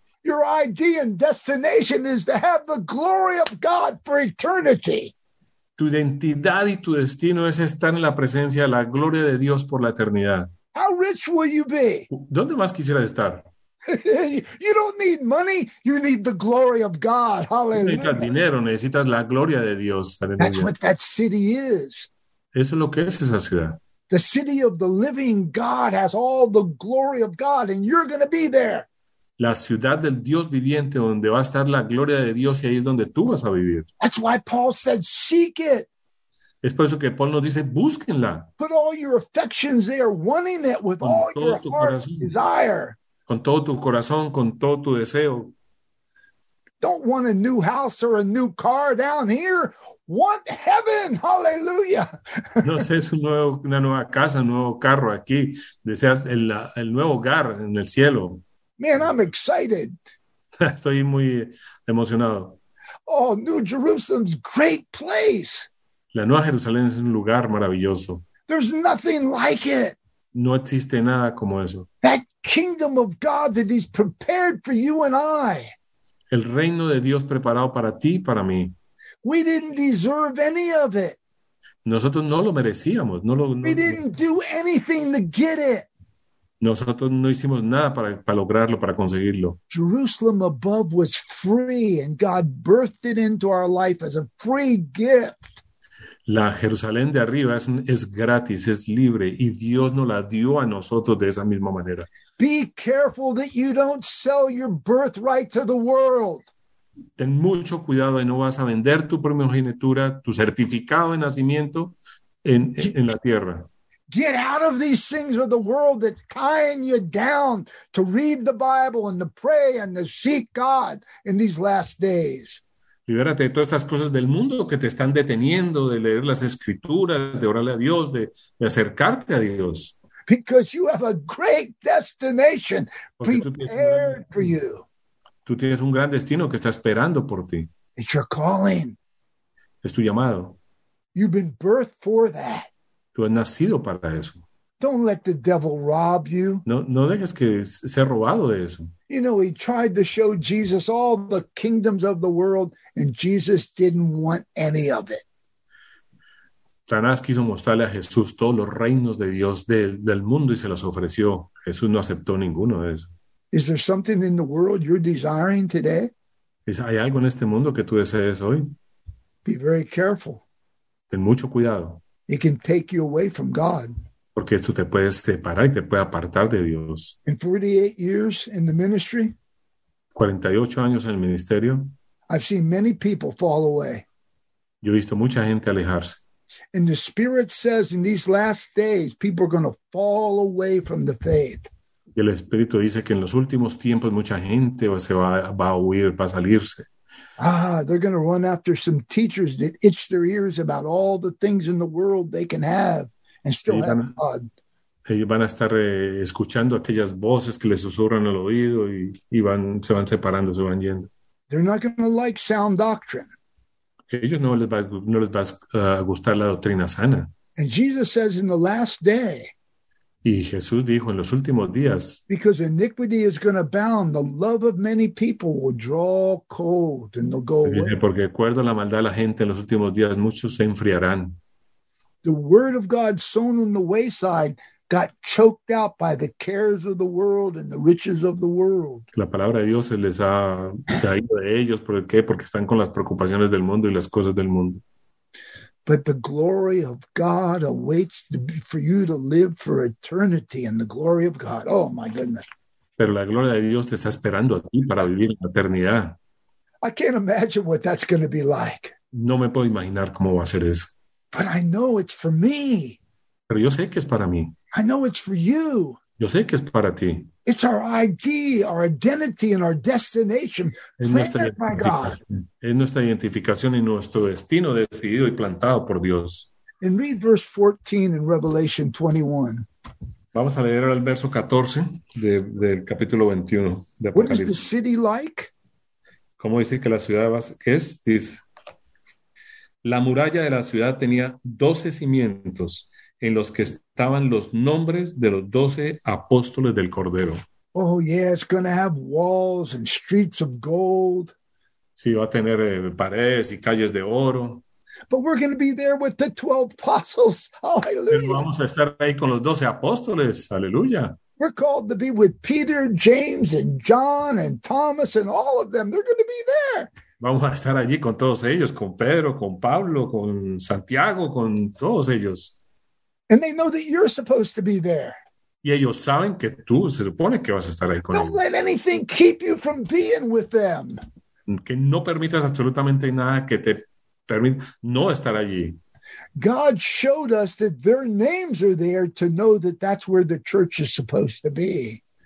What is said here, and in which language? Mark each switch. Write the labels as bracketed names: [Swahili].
[English] Your idea and destination is to have the glory of God for eternity. [Spanish] Tu identidad y tu destino es estar en la presencia de la gloria de Dios por la eternidad. [English] How rich will you be? [Spanish] ¿Dónde más quisiera estar? [English] You don't need money. You need the glory of God. Hallelujah. [Spanish] Necesitas dinero. Necesitas la gloria de Dios. [English] Hallelujah. That's what that city is. [Spanish] Eso es lo que es esa ciudad. [English] The city of the living God has all the glory of God, and you're going to be there. [Spanish] La ciudad del Dios viviente, donde va a estar la gloria de Dios, y ahí es donde tú vas a vivir. [English] That's why Paul said, seek it. [Spanish] Es por eso que Paul nos dice, búsquenla. [English] Put all your affections there, wanting it with all your heart and desire. [Spanish] Con todo tu corazón, con todo tu deseo. [English] Don't want a new house or a new car down here. Want heaven, hallelujah. [Spanish] No es una nueva casa, un nuevo carro aquí. Desea el nuevo hogar en el cielo. [English] Man, I'm excited. [Spanish] Estoy muy emocionado. [English] Oh, New Jerusalem's great place. [Spanish] La Nueva Jerusalén es un lugar maravilloso. [English] There's nothing like it. [Spanish] No existe nada como eso. [English] That kingdom of God that he's prepared for you and I. [Spanish] El reino de Dios preparado para ti y para mí. [English] We didn't deserve any of it. [Spanish] Nosotros no lo merecíamos. [English] We didn't do anything to get it. [Spanish] Nosotros no hicimos nada para lograrlo, para conseguirlo. [English] Jerusalem above was free and God birthed it into our life as a free gift. [Spanish] La Jerusalén de arriba es gratis, es libre, y Dios nos la dio a nosotros de esa misma manera. [English] Be careful that you don't sell your birthright to the world. [Spanish] Ten mucho cuidado y no vas a vender tu primogenitura, tu certificado de nacimiento en la tierra. [English] Get out of these things of the world that tie you down to read the Bible and to pray and to seek God in these last days. [Spanish] Libérate de todas estas cosas del mundo que te están deteniendo de leer las escrituras, de orarle a Dios, de acercarte a Dios. [English] Because you have a great destination prepared for you. [Spanish] Tú tienes un gran destino que está esperando por ti. [English] It's your calling. [Spanish] Es tu llamado. [English] You've been birthed for that. [Spanish] Tú has nacido para eso. [English] Don't let the devil rob you. [Spanish] No dejes que sea robado de eso. [English] You know, he tried to show Jesus all the kingdoms of the world, and Jesus didn't want any of it. [Spanish] Satanás quiso mostrarle a Jesús todos los reinos de Dios del mundo y se los ofreció. Jesús no aceptó ninguno de eso. [English] Is there something in the world you're desiring today? [Spanish] ¿Hay algo en este mundo que tú desees hoy? [English] Be very careful. [Spanish] Ten mucho cuidado. [English] It can take you away from God. [Spanish] Porque esto te puede separar y te puede apartar de Dios. [English] In 48 years in the ministry, [Spanish] 48 años en el ministerio, [English] I've seen many people fall away. [Spanish] Yo he visto mucha gente alejarse. [English] And the Spirit says in these last days, people are going to fall away from the faith. [Spanish] Y el Espíritu dice que en los últimos tiempos mucha gente se va a huir, va a salirse. [English] Ah, they're going to run after some teachers that itch their ears about all the things in the world they can have and still have God. [Spanish] Ellos van a estar escuchando aquellas voces que les susurran al oído y se van separando, se van yendo. [English] They're not going to like sound doctrine. [Spanish] Ellos no les va a gustar la doctrina sana. [English] And Jesus says in the last day. [Spanish] Y Jesús dijo en los últimos días. [English] Because iniquity is going to abound, the love of many people will draw cold and they'll go away. [Spanish] Porque acuerdo a la maldad de la gente en los últimos días, muchos se enfriarán. [English] The word of God sown on the wayside got choked out by the cares of the world and the riches of the world. [Spanish] La palabra de Dios se ha ido de ellos. ¿Por qué? Porque están con las preocupaciones del mundo y las cosas del mundo. [English] But the glory of God awaits for you to live for eternity in the glory of God. Oh, my goodness. [Spanish] Pero la gloria de Dios te está esperando a ti para vivir en la eternidad. [English] I can't imagine what that's going to be like. [Spanish] No me puedo imaginar cómo va a ser eso. [English] But I know it's for me. [Spanish] Pero yo sé que es para mí. [English] I know it's for you. [Spanish] Yo sé que es para ti. [English] It's our ID, our identity, and our destination planted by God. [Spanish] Es nuestra identificación y nuestro destino decidido y plantado por Dios. [English] And read verse 14 in Revelation 21. [Spanish] Vamos a leer el verso 14 del capítulo 21 de Apocalipsis. [English] What is the city like? [Spanish] ¿Cómo dice que la ciudad va? ¿Qué es? Dice, la muralla de la ciudad tenía 12 cimientos. En los que estaban los nombres de los 12 apóstoles del Cordero. [English] Oh, yeah, it's going to have walls and streets of gold. [Spanish] Sí, va a tener paredes y calles de oro. [English] But we're going to be there with the 12 apostles. Hallelujah. [Spanish] Pero vamos a estar ahí con los 12 apóstoles. Aleluya. [English] We're called to be with Peter, James, and John, and Thomas, and all of them. They're going to be there. [Spanish] Vamos a estar allí con todos ellos, con Pedro, con Pablo, con Santiago, con todos ellos. [English] And they know that you're supposed to be there. [Spanish] Y ellos saben que tú se supone que vas a estar ahí con ellos. [English] Don't let anything keep you from being with them. [Spanish] Que no permitas absolutamente nada que te permita no estar allí. [English] God showed us that their names are there to know that that's where the church is supposed to be.